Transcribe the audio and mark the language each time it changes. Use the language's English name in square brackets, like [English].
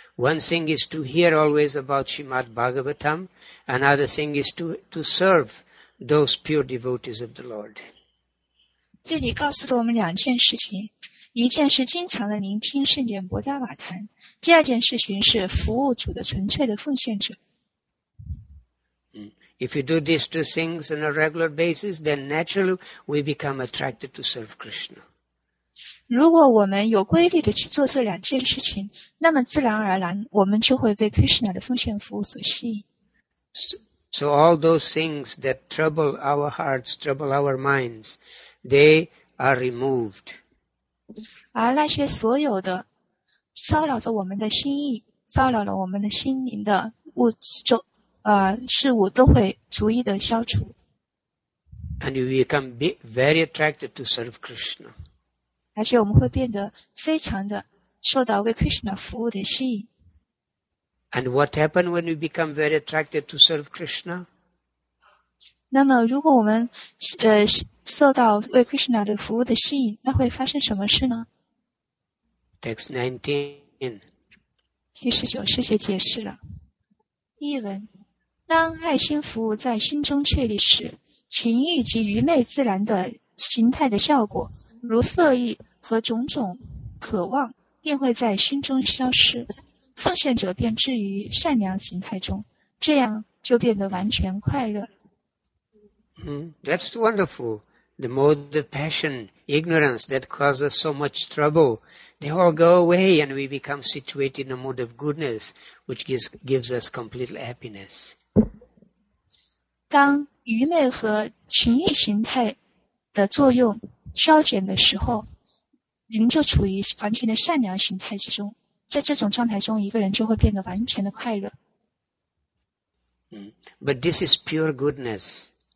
[English] One thing is to hear always about Srimad Bhagavatam, another thing is to serve. Those pure devotees of the Lord. [Chinese] 这里告诉了我们两件事情，一件是经常的聆听圣典博迦瓦坛，第二件事情是服务主的纯粹的奉献者。 [English] If you do these two things on a regular basis, then naturally we become attracted to serve Krishna. [Chinese] 如果我们有规律的去做这两件事情，那么自然而然我们就会被 Krishna 的奉献服务所吸引。 [English] So all those things that trouble our hearts, trouble our minds, they are removed. [Chinese] 而那些所有的骚扰着我们的心意，骚扰了我们的心灵的物质、事物都会逐一的消除。 [English] And we become very attracted to serve Krishna. [Chinese] 而且我们会变得非常的受到为 Krishna 服务的吸引。 [English] And what happens when we become very attracted to serve Krishna? [Chinese] 那么如果我们受到为 Krishna 的服务的吸引，那会发生什么事呢？ [English] Text 19. [Chinese] 第十九世界解释了。译文：当爱心服务在心中确立时，情欲及愚昧自然的形态的效果，如色欲和种种渴望，便会在心中消失。奉献者便置于善良形态中，这样就变得完全快乐。 [English] That's wonderful. The mode of passion, ignorance that causes so much trouble, they all go away and we become situated in a mode of goodness, which gives us complete happiness. [Chinese] 当愚昧和情欲形态的作用消减的时候，人就处于完全的善良形态之中。在这种状态中，一个人就会变得完全的快乐。 [English] But this is pure goodness.